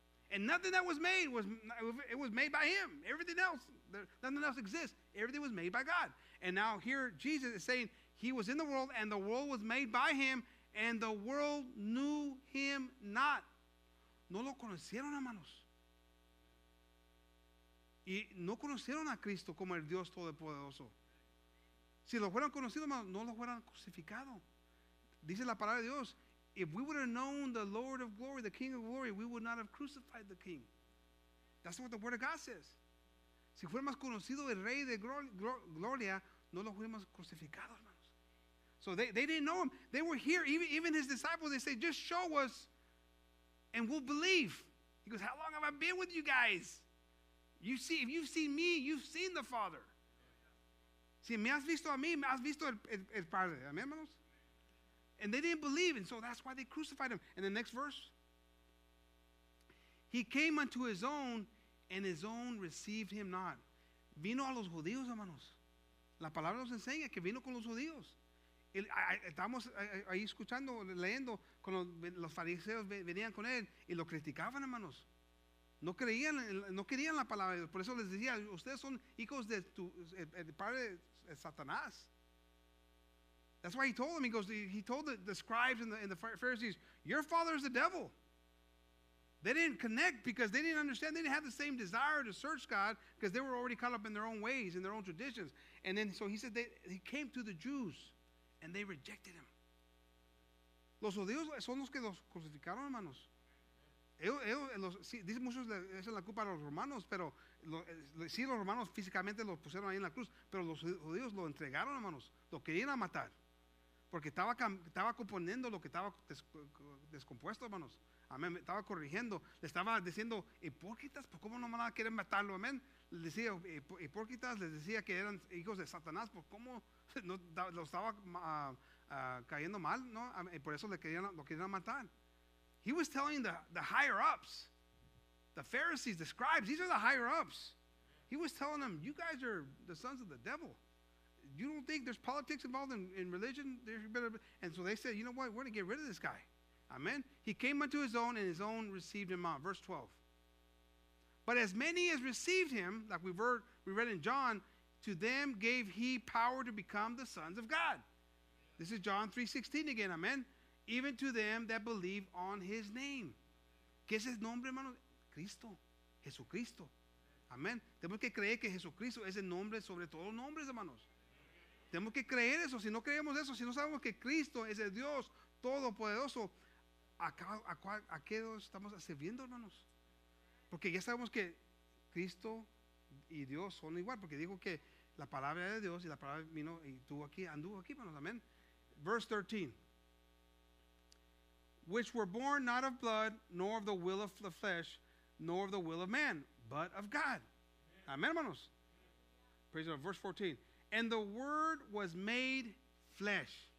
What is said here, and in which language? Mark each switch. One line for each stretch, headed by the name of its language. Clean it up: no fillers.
English: And nothing that was made, it was made by him. Everything else. Nothing else exists. Everything was made by God. And now here Jesus is saying he was in the world and the world was made by him and the world knew him not.
Spanish: No lo conocieron, hermanos. Y no conocieron a Cristo como el Dios Todopoderoso. Si lo fueran conocido, hermanos, no lo fueran crucificado. Dice la palabra de Dios.
English: If we would have known the Lord of glory, the King of glory, we would not have crucified the King. That's what the Word of God says.
Spanish: Si fuéramos conocido el Rey de Gloria, no lo hubiéramos crucificado, hermanos.
English: So they didn't know him. They were here. Even his disciples, they say, just show us and we'll believe. He goes, how long have I been with you guys? You see, if you've seen me, you've seen the Father.
Spanish: Si me has visto a mí, me has visto el Padre. Amén, hermanos.
English: And they didn't believe, and so that's why they crucified him. And the next verse, he came unto his own, and his own received him not.
Spanish: Vino a los judíos, hermanos. La palabra nos enseña que vino con los judíos. Estamos ahí escuchando, leyendo, cuando los fariseos venían con él y lo criticaban, hermanos. No creían, no querían la palabra de Dios. Por eso les decía, ustedes son hijos de tu padre Satanás.
English: That's why he told them, he told the scribes and the Pharisees, your father is the devil. They didn't connect because they didn't understand. They didn't have the same desire to search God because they were already caught up in their own ways, in their own traditions. And then so he said he came to the Jews and they rejected him.
Spanish: Los judíos son los que los crucificaron, hermanos. Dicen muchos, esa es la culpa de los romanos, pero sí, los romanos físicamente los pusieron ahí en la cruz, pero los judíos lo entregaron, hermanos. Lo querían matar porque estaba componiendo lo que estaba descompuesto, hermanos. Amén. Estaba corrigiendo, le estaba diciendo hipócritas, pues cómo no van a querer matarlo, amén. Les decía hipócritas, les decía que eran hijos de Satanás, pues cómo no, lo estaba cayendo mal, ¿no? Y por eso lo querían matar.
English: He was telling the higher ups, the Pharisees, the scribes, these are the higher ups. He was telling them, you guys are the sons of the devil. You don't think there's politics involved in religion? And so they said, you know what, we're going to get rid of this guy. Amen. He came unto his own, and his own received him out. Verse 12. But as many as received him, like we read in John, to them gave he power to become the sons of God. This is John 3:16 again. Amen. Even to them that believe on his name.
Spanish: ¿Qué es el nombre, hermano? Cristo. Jesucristo. Amén. Tenemos que creer que Jesucristo es el nombre sobre todos los nombres, hermanos. Tenemos que creer eso. Si no creemos eso, si no sabemos que Cristo es el Dios Todopoderoso, ¿a qué Dios estamos sirviendo, hermanos? Porque ya sabemos que Cristo y Dios son igual. Porque dijo que la palabra de Dios y la palabra vino y anduvo aquí, hermanos. Amén. Verse 13.
English: Which were born not of blood, nor of the will of the flesh, nor of the will of man, but of God. Amen, hermanos. Praise God. Verse 14. And the word was made flesh.